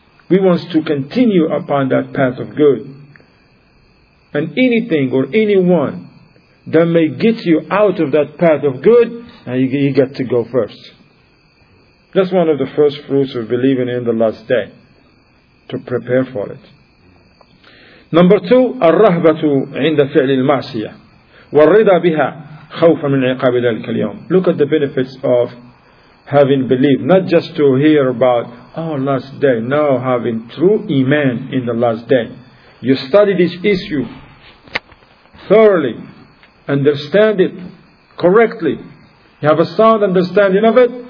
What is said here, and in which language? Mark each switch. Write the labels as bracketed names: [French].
[English] We want to continue upon that path of good. And anything or anyone that may get you out of that path of good, you get to go first. That's one of the first fruits of believing in the last day, to prepare for it. Number two, [Arabic] الرَّهْبَةُ عِنْدَ فِعْلِ الْمَعْصِيَةِ وَالرِّضَى بِهَا خَوْفًا مِنْ عِقَابِ ذَلِكَ الْيَوْمِ. [English] Look at the benefits of having belief. Not just to hear about, oh, last day. No, having true iman in the last day. You study this issue thoroughly. Understand it correctly. You have a sound understanding of it.